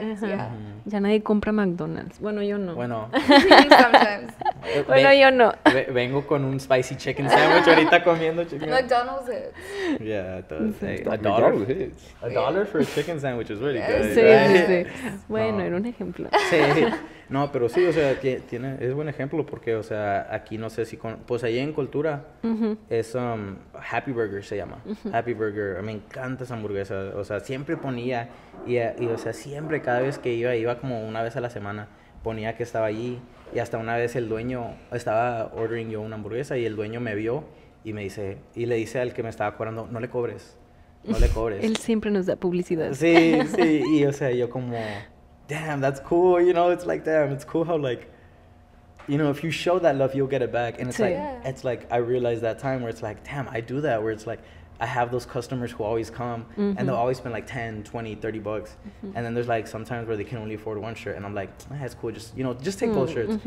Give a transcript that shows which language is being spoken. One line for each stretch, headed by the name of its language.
English: Uh-huh. Yeah.
Spanish: Ya nadie compra McDonald's. Bueno, yo no. Bueno.
English: Sometimes.
Spanish: Bueno, yo no. Vengo con un
English: spicy chicken sandwich
Spanish: ahorita comiendo chicken.
English: McDonald's hits. Yeah, it does. Hey, a dollar for a chicken sandwich is really good.
Spanish: Sí,
English: right?
Spanish: Sí. Bueno, no. Era un ejemplo. Sí. No, pero sí, o sea, tiene es buen ejemplo porque, o sea, aquí no sé si, pues ahí en Cultura uh-huh. Es Happy Burger se llama, uh-huh. Happy Burger, me encanta esa hamburguesa, o sea, siempre ponía, y o sea, siempre, cada vez que iba como una vez a la semana, ponía que estaba allí, y hasta una vez el dueño, estaba ordering yo una hamburguesa, y el dueño me vio, y me dice, y le dice al que me estaba cobrando, no le cobres, no le cobres. Él siempre nos da publicidad. Sí, sí, y o sea, yo como...
English: Damn, that's cool, you know, it's like, damn, it's cool how, like, you know, if you show that love, you'll get it back, and it's yeah. Like, it's like, I realized that time where it's like, damn, I do that, where it's like, I have those customers who always come, mm-hmm. And they'll always spend, like, 10, 20, 30 bucks, mm-hmm. And then there's, like, sometimes where they can only afford one shirt, and I'm like, ah, it's cool, just, you know, just take mm-hmm. Both shirts, mm-hmm.